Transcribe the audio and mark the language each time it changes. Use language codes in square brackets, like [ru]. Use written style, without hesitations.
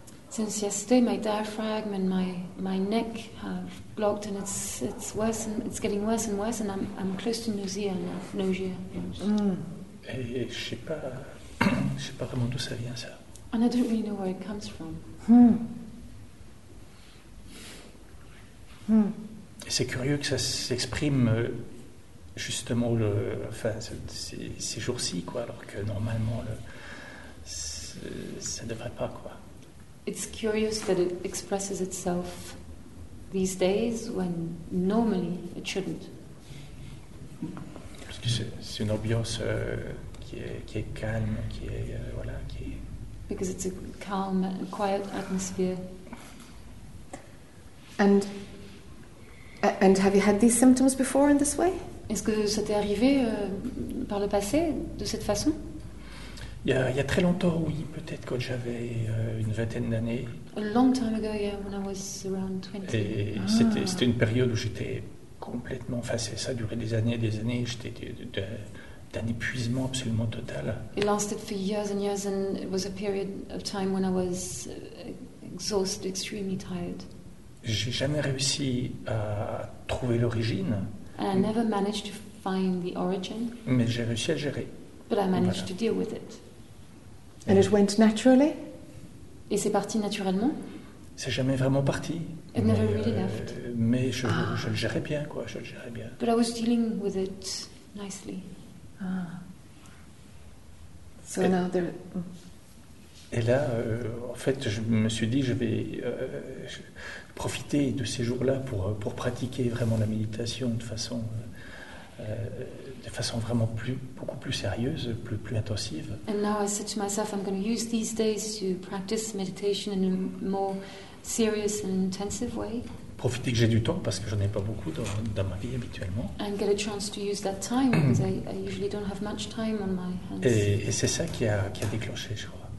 [en] Since yesterday, my diaphragm and my neck have blocked and it's worse and it's getting worse and worse and I'm close to nausea now. Nausea. [fr] Et je sais pas vraiment d'où ça vient ça. [en] And I don't really know where it comes from. [fr] Et c'est curieux que ça s'exprime. Justement, ces jours-ci, quoi, alors que normalement, ça ne devrait pas, quoi. [en] It's curious that it expresses itself these days when normally it shouldn't. [fr] Parce que c'est une ambiance qui est calme, qui est. [en] Because it's a calm and quiet atmosphere. And have you had these symptoms before in this way? [fr] Est-ce que ça t'est arrivé par le passé, de cette façon? Il y a très longtemps, oui, peut-être quand j'avais une vingtaine d'années. [en] A long time ago, yeah, when I was around 20. [fr] Et c'était une période où j'étais complètement face à ça, durait des années et des années, j'étais d'un épuisement absolument total. [en] It lasted for years and years, and it was a period of time when I was exhausted, extremely tired. [fr] J'ai jamais réussi à trouver l'origine. [en] And I never managed to find the origin. [fr] Mais j'ai réussi à gérer. [en] But I managed to deal with it. And it went naturally? [fr] Et c'est parti naturellement? C'est jamais vraiment parti. [en] It never really left. [fr] Mais je le gérais bien, quoi. Je le gérais bien. [en] But I was dealing with it nicely. So et, now there. [fr] Et là, en fait, je me suis dit, je vais. Profiter de ces jours-là pour pratiquer vraiment la méditation de façon vraiment beaucoup plus sérieuse, plus intensive. [en] And now I said to myself, I'm going to use these days to practice meditation in a more serious and intensive way. [fr] Profiter que j'ai du temps parce que j'en ai pas beaucoup dans ma vie habituellement. [en] And get a chance to use that time because I usually don't have much time on my hands. [fr] Et c'est ça qui a déclenché, je crois.